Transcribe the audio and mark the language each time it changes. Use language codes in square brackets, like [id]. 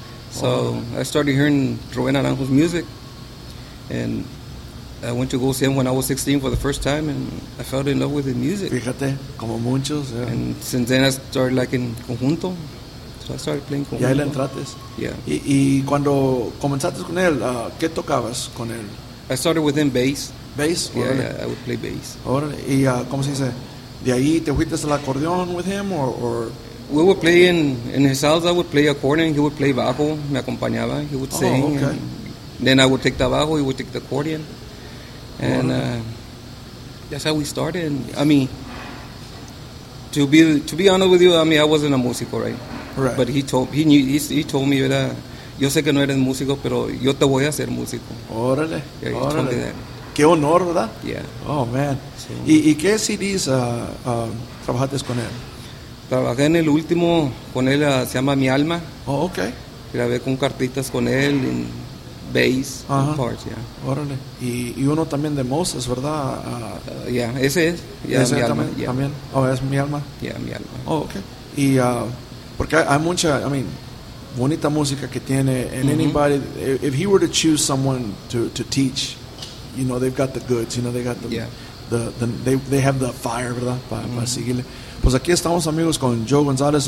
[en] So I started hearing Rubén Naranjo's music. And I went to go see him when I was 16 for the first time, and I fell in love with his music. [es] Fíjate, como muchos. Yeah. [en] And since then I started liking conjunto. So I started playing con [es] él. ¿Y ahí le entraste? [en] Yeah. [es] ¿Y cuando comenzaste con él, qué tocabas con él? [en] I started with him bass. ¿Bass? Yeah, I would play bass. [es] Órale. ¿Y cómo se dice? ¿De ahí te fuiste al acordeón [en] with him? Or? We would play in his house. I would play accordion. He would play bajo. [es] Me acompañaba. [en] He would sing. Okay. And then I would take the bajo. He would take the accordion. And that's how we started. To be honest with you, I wasn't a músico, right? Right. But he told me [es] era, yo sé que no eres músico, pero yo te voy a hacer músico. Órale. [en] Yeah, he [es] órale. [en] Told me that. [es] Qué honor, ¿verdad? [en] Yeah. Oh, man. [es] So, ¿Y qué CDs trabajaste con él? Trabajé en el último con él, se llama Mi Alma. Oh, okay. Grabé con cartitas con él en bass, parts, yeah. Órale. Y uno también de Moses, ¿verdad? Ese es. Yeah, ese Mi también, Alma. Yeah. También. Oh, es Mi Alma. [en] Yeah, Mi Alma. Oh, okay. [es] Y porque hay mucha, bonita música que tiene. [en] And anybody, if he were to choose someone to teach, you know, they've got the goods, you know, they got the, they have the fire, ¿verdad? [es] Para seguirle. Pues aquí estamos, amigos, con Joe Gonzales.